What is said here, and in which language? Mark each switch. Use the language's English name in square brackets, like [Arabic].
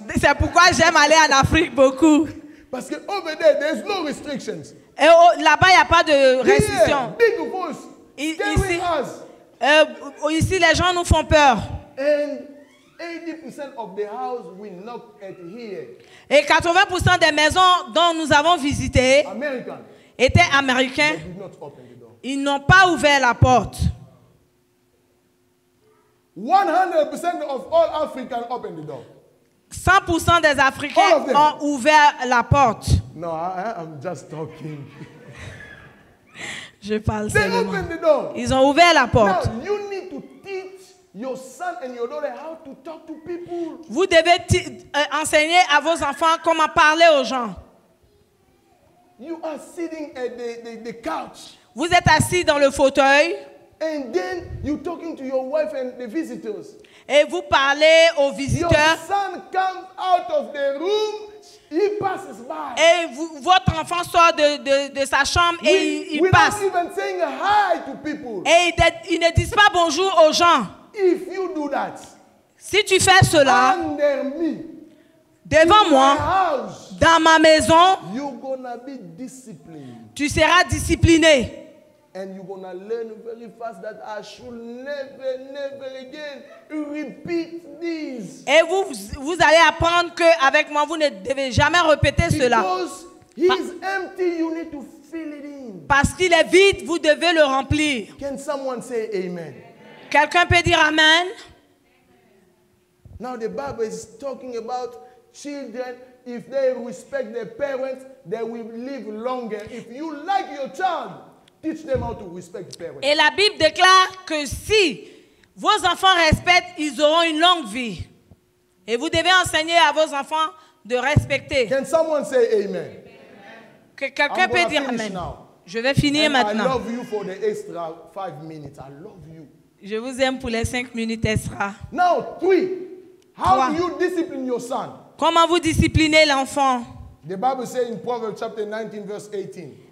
[French] C'est pourquoi j'aime aller en Afrique beaucoup. Parce que [English] over there, there's no restrictions. [French] Et là-bas, il y a pas de restrictions. [English] Yeah, big boys. [French] Ici, les gens nous font peur. [English] And 80% of the house we knock at here. [French] Et 80% des maisons dont nous avons visité étaient américains. [English] They did not open the door. [French] Ils n'ont pas ouvert la porte. [English] 100% of all Africans opened the door. [French] 100% des Africains ont ouvert la porte. [English] No, I'm just talking. [French] Je parle [English] they [French] seulement. [English] Opened the door. [French] Ils ont ouvert la porte. [English] Now, you need to teach your son and your daughter how to talk to people. [French] Vous devez enseigner à vos enfants comment parler aux gens. [English] You are sitting at the couch. [French] Vous êtes assis dans le fauteuil. [English] And then you're talking to your wife and the visitors. [French] Et vous parlez aux visiteurs. [English] Your son comes out of the room. He passes by. [French] Et vous, votre enfant sort de sa chambre et il passe. [English] Without even saying hi to people. [French] Et il ne dit pas bonjour aux gens. [English] If you do that, [French] si tu fais cela, [English] under me, [French] devant [English] in [French] moi, [English] my house, [French] dans ma maison, [English] you're gonna be disciplined. [French] Tu seras discipliné. [English] And you're gonna learn very fast that I should never, never again repeat this. [French] Et vous allez apprendre que avec moi vous ne devez jamais répéter cela. [English] Because he's empty, you need to fill it in. [French] Parce qu'il est vide, vous devez le remplir. [English] Can someone say amen? [French] Quelqu'un peut dire amen? [English] Now the Bible is talking about children. If they respect their parents, they will live longer. If you like your child. Teach them how to respect parents. [French] Et la Bible déclare que si vos enfants respectent, ils auront une longue vie. Et vous devez enseigner à vos enfants de respecter. [English] Can someone say amen? [French] Que quelqu'un peut dire amen. [English] Now. [French] Je vais finir [English] and [French] maintenant. [English] I love you for the extra 5 minutes. I love you. [French] Je vous aime pour les 5 minutes extra. [English] Now, three. How do you discipline your son? [French] Comment vous disciplinez l'enfant? [English] The Bible says in Proverbs chapter 19, verse 18.